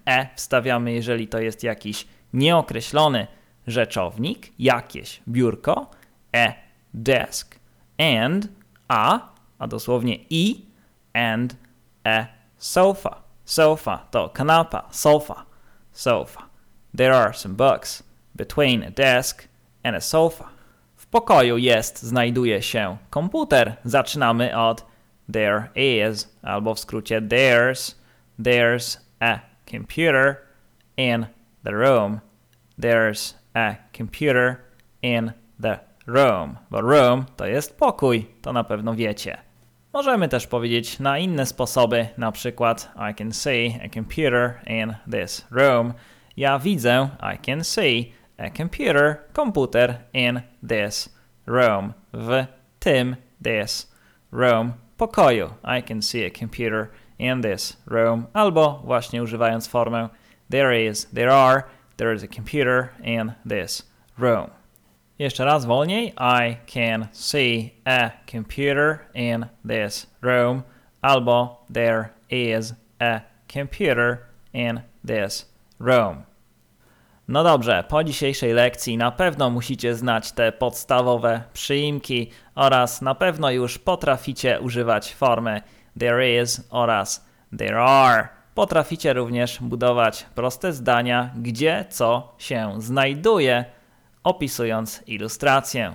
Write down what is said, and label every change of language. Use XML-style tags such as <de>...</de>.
<pl>E wstawiamy, jeżeli to jest jakiś nieokreślony rzeczownik, jakieś biurko,</pl> <en>a desk,</en> <pl>and a dosłownie i,</pl> <en>and a sofa.</en> <pl>Sofa to kanapa, sofa, sofa.</pl> <en>There are some books between a desk and a sofa.</en> <pl>W pokoju jest, znajduje się komputer. Zaczynamy od</pl> <en>there is,</en> <pl>albo w skrócie</pl> <en>there's. There's a computer in the room. There's a computer in the room.</en> <pl>Bo room to jest pokój, to na pewno wiecie. Możemy też powiedzieć na inne sposoby, na przykład</pl> <en>I can see a computer in this room.</en> <pl>Ja widzę,</pl> <en>I can see a computer, komputer in this room,</en> <pl>w tym</pl> <en>this room pokoju. I can see a computer in this room.</en> <pl>Albo właśnie używając formę</pl> <en>there is a computer in this room.</en> <pl>Jeszcze raz wolniej.</pl> <en>I can see a computer in this room. Albo there is a computer in this room.</en> <pl>No dobrze, po dzisiejszej lekcji na pewno musicie znać te podstawowe przyimki oraz na pewno już potraficie używać formy there is oraz there are. Potraficie również budować proste zdania, gdzie co się znajduje, opisując ilustrację.</pl>